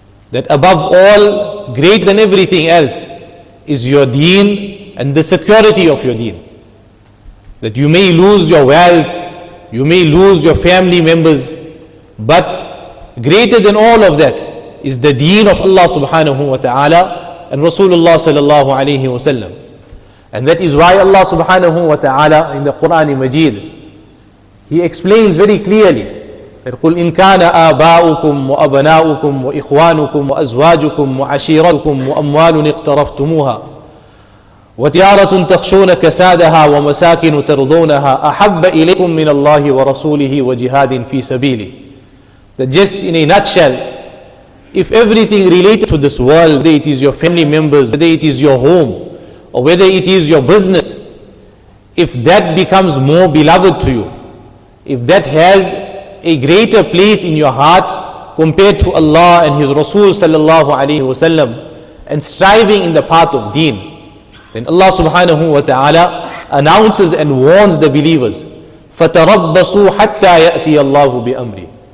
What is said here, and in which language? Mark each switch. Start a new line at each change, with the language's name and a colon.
English: That above all, greater than everything else, is your deen and the security of your deen. That you may lose your wealth, you may lose your family members, but greater than all of that is the deen of Allah subhanahu wa ta'ala and Rasulullah sallallahu alayhi wa sallam. And that is why Allah subhanahu wa ta'ala in the Quran Majeed, He explains very clearly,
Arabic: قُلْ إِنْ كَانَ آبَاؤُكُمْ وَأَبْنَاؤُكُمْ وَإِخْوَانُكُمْ وَأَزْوَاجُكُمْ وَعَشِيرَتُكُمْ وَأَمْوَالٌ اقْتَرَفْتُمُوهَا وَتِيَارَةٌ تَخْشُونَ كَسَادَهَا وَمَسَاكِنُ تَرْضَوْنَهَا أَحَبَّ إِلَيْكُمْ مِنَ اللَّهِ وَرَسُولِهِ وَجِهَادٍ فِي سَبِيلِهِ.
English: That just in a nutshell, if everything related to this world, whether it is your family members, whether it is your home, or whether it is your business, if that becomes more beloved to you, if that has a greater place in your heart compared to Allah and His Rasul sallallahu alayhi wa sallam, and striving in the path of deen, then Allah subhanahu wa ta'ala announces and warns the believers,
Arabic: فَتَرَبَّصُوا حَتَّى يَأْتِيَ اللَّهُ بِأَمْرِ.